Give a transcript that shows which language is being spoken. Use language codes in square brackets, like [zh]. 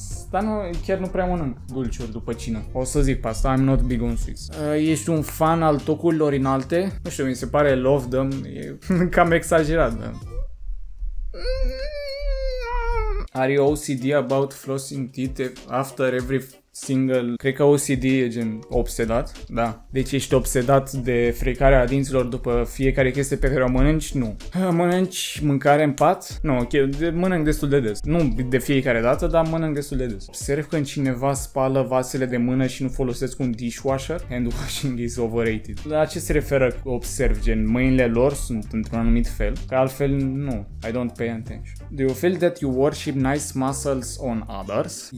[ro] Dar nu, chiar nu prea mănânc dulciuri după cină. O să zic pe asta, [en] I'm not big on sweets. [ro] Ești un fan al tocurilor înalte? Nu știu, mi se pare [en] love them. [ro] E cam exagerat, da. [en] Are you OCD about flossing teeth after every single. [ro] Cred că OCD e gen obsedat. Da. Deci ești obsedat de frecarea dinților după fiecare chestie pe care o mănânci? Nu. Mănânci mâncare în pat? Nu, ok. Mănânc destul de des. Nu de fiecare dată, dar mănânc destul de des. Observ când cineva spală vasele de mână și nu folosesc un dishwasher? [en] Hand washing is overrated. [ro] La ce se referă observ? Gen mâinile lor sunt într-un anumit fel? Că altfel nu. [en] I don't pay attention. Do you feel that you worship nice muscles on others?